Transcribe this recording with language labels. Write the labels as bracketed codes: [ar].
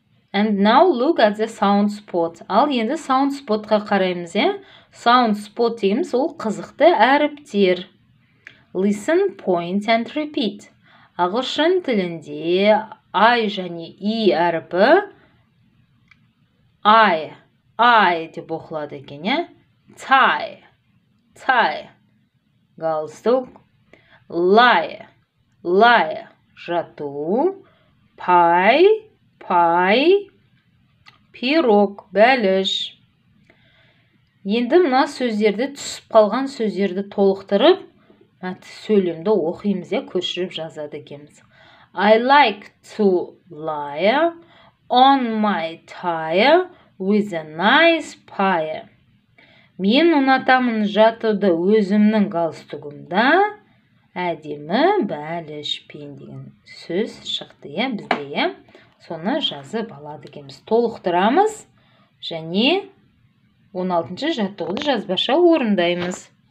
[en] And now look at the sound spot. [kk] Ал енді sound spot-қа қараймыз, е? Sound spot дейміз, ол қызықты әріптер. [en] Listen, point and repeat. [kk] Ағылшын тілінде I және I әріпі I, I деп оқылады екен, е? [en] Tie, tie, [kk] галстук. [en] Lie, lie, [kk] жату. [en] Pie, pie, [kk] пирог, бәліш. Енді мына сөздерді түсіп қалған сөздерді толықтырып, сөйлемді оқиымыз, е, көшіріп жазады екеміз. [en] I like to lie on my tie with a nice pie. [kk] Мен ұнатамын жатуды өзімнің галстугымда әдемі бәлішпен деген сөз шықты, е, бізде, е. Соны жазып алады екенбіз. Толықтырамыз және 16-шы жаттығуды жазбаша орындаймыз.